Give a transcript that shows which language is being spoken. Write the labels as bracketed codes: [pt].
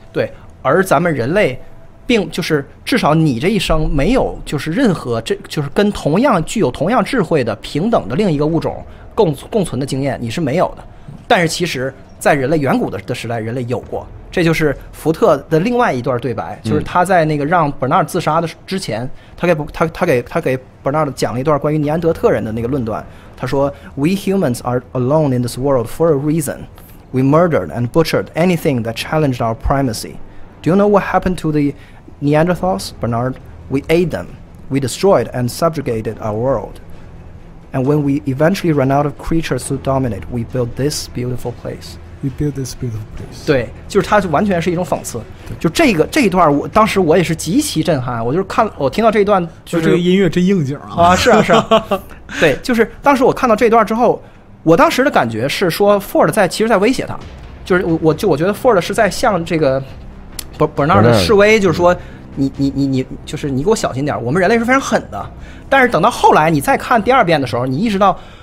[zh] 对，而咱们人类并就是至少你这一生没有就是任何这就是跟同样具有同样智慧的平等的另一个物种共存的经验你是没有的。但是其实在人类远古的时代人类有过，这就是福特的另外一段对白，就是他在那个让 Bernard 自杀的之前，他给 Bernard 讲了一段关于尼安德特人的那个论断。他说 [en] We humans are alone in this world for a reason. We murdered and butchered anything that challenged our primacy. Do you know what happened to the Neanderthals, Bernard? We ate them. We destroyed and subjugated our world. And when we eventually ran out of creatures to dominate, we built this beautiful place. We build this beautiful place. [zh] 对，就是它完全是一种讽刺。就这一段我当时我也是极其震撼。我就是看我听到这一段，就这个音乐真应景啊！是啊，是啊。对，就是当时我看到这段之后，我当时的感觉是说 ，Ford 其实在威胁他。就是我觉得 Ford 是在向这个 Bernard 的示威，就是说你就是你给我小心点。我们人类是非常狠的，但是等到后来你再看第二遍的时候，你意识到。